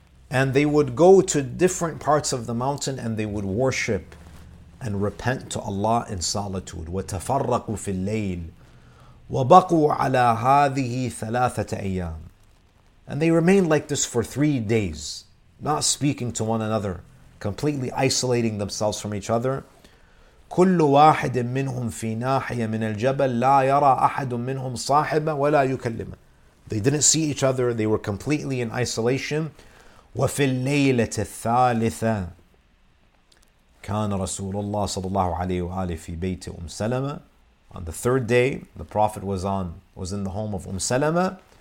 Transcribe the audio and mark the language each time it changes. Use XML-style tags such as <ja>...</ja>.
<en>And they would go to different parts of the mountain and they would worship and repent to Allah in solitude.</en> <ar>وَتَفَرَّقُوا فِي اللَّيْلِ وَبَقُوا عَلَىٰ هَذِهِ ثَلَاثَةَ أَيَّامٍ</ar> <en>And they remained like this for 3 days, not speaking to one another, completely isolating themselves from each other.</en> <ar>كل واحد منهم في ناحية من الجبل لا يرى أحد منهم صاحبا ولا يكلم.</ar> <en>They didn't see each other. They were completely in isolation.</en> <ar>وفي الليلة الثالثة كان رسول الله صلى الله عليه وآله في بيت أم سلمة.</ar> <en>On the third day, the Prophet was in the home of Umm Salama.</en>